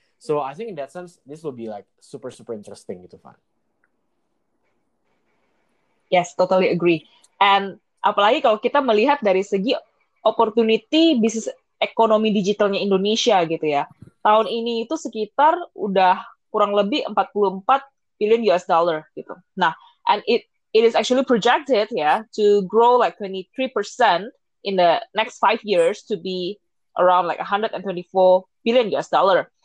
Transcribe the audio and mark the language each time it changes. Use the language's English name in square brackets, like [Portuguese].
[English] So I think in that sense this will be like super super interesting gitu, Van. Yes, totally agree. [Indonesian] And apalagi kalau kita melihat dari segi opportunity bisnis ekonomi digitalnya Indonesia gitu ya. Tahun ini itu sekitar udah kurang lebih 44 billion US dollar gitu. [English] Nah, and it is actually projected ya yeah, to grow like 23% in the next 5 years to be around like 124 billion US dollar.